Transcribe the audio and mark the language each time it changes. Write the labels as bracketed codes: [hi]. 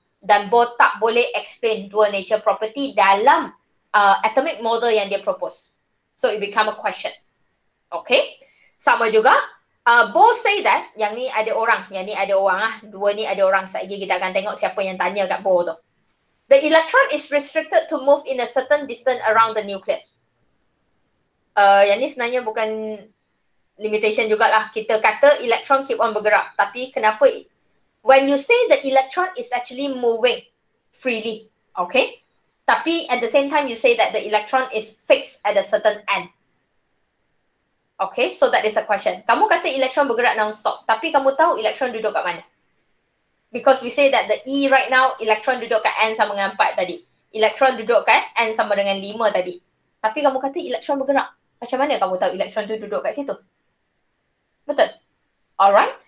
[ms] Dan Bohr tak boleh [en] explain dual nature property dalam atomic model yang dia propose. So it become a question. Okay? [ms] Sama juga, [en] Bohr say that, [ms] yang ni ada orang, yang ni ada orang lah. Dua ni ada orang. Sekejap lagi kita akan tengok siapa yang tanya kat Bohr tu. [en] The electron is restricted to move in a certain distance around the nucleus. [ms] Yang ni sebenarnya bukan limitation jugalah. Kita kata elektron keep on bergerak. Tapi kenapa? [en] When you say the electron is actually moving freely, okay? Tapi at the same time, you say that the electron is fixed at a certain end. Okay, so that is a question. [ms] Kamu kata elektron bergerak non-stop. Tapi kamu tahu elektron duduk kat mana? [en] Because we say that the E right now, [ms] elektron duduk kat N sama dengan 4 tadi. Elektron duduk kat N sama dengan 5 tadi. Tapi kamu kata elektron bergerak. Macam mana kamu tahu elektron tu duduk kat situ? Betul? Alright?